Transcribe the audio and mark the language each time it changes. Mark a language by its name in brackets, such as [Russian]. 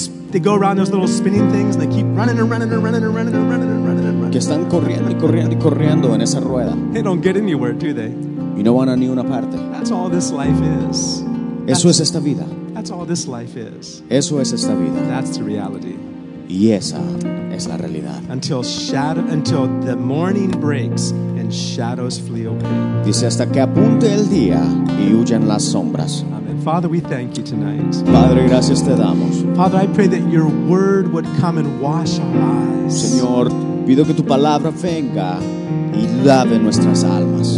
[English] They go around those little spinning things and they keep running and running and running and running and running and running and running. [Spanish] Que están corriendo y corriendo y corriendo en esa rueda. [English] They don't get anywhere, do they? [Spanish] Y no van a ni una parte. [English] That's all this life is. [Spanish] Eso es esta vida. [English] That's all this life is. [Spanish] Eso es esta vida. [English] That's the reality. [Spanish] Y esa es la realidad. [English] Until the morning breaks and shadows flee away. [Spanish] Dice, hasta que apunte el día y huyan las sombras. [English] Father, we thank you tonight. [Spanish] Padre, gracias te damos. [English] Father, I pray that your word would come and wash our eyes. [Spanish] Señor, pido que tu palabra venga y lave nuestras almas.